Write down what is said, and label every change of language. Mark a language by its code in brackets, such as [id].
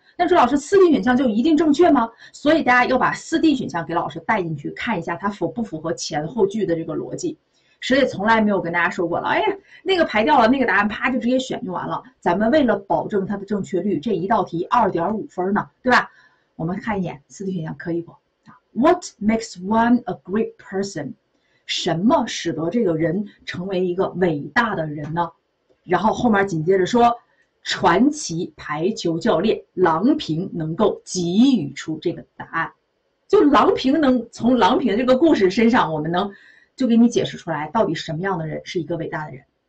[zh] 那朱老师，四 D 选项就一定正确吗？所以大家要把四 D 选项给老师带进去，看一下它符不符合前后句的这个逻辑。谁也从来没有跟大家说过了，哎呀，那个排掉了，那个答案啪就直接选就完了。咱们为了保证它的正确率，这一道题2.5分呢，对吧？我们看一眼四 D 选项可以不？啊， [en] What makes one a great person？ [zh] 什么使得这个人成为一个伟大的人呢？然后后面紧接着说，传奇排球教练郎平能够给予出这个答案，就郎平能从郎平这个故事身上，我们能就给你解释出来到底什么样的人是一个伟大的人。